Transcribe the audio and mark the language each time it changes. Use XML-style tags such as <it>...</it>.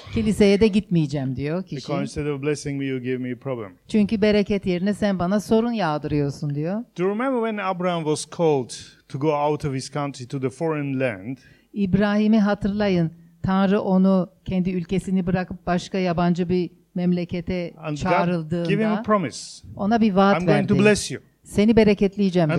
<tr>Kiliseye de gitmeyeceğim diyor kişi.</tr> <en>Because instead of blessing me, you give me a problem.</en> <tr>Çünkü bereket yerine sen bana sorun yağdırıyorsun diyor.</tr> <en>Do you remember when Abraham was called to go out of his country to the foreign land?</en> <tr>İbrahim'i hatırlayın. Tanrı onu kendi ülkesini bırakıp başka yabancı bir memlekete</tr> <en>and</en> <tr>çağrıldığında.</tr> <en>God, give him a promise.</en> <tr>Ona bir vaat verdi.</tr> <en>I'm going to bless you.</en> <tr>Seni bereketleyeceğim dedi.</tr>